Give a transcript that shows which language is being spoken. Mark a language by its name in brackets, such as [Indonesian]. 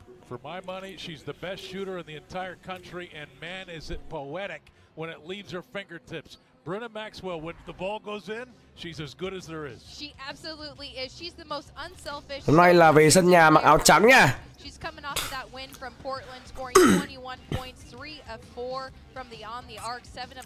[English] For my money, she's the best shooter in the entire country, and man, is it poetic. When it leaves her fingertips, Brenna Maxwell, when the ball goes in, she's as good as there is. She absolutely is. She's the most unselfish. [Vietnamese] Hôm nay là về sân nhà mặc áo trắng nha. [English] She's coming off that win from Portland, scoring 21 points, 3 of 4 from the on the arc, 7 of 11.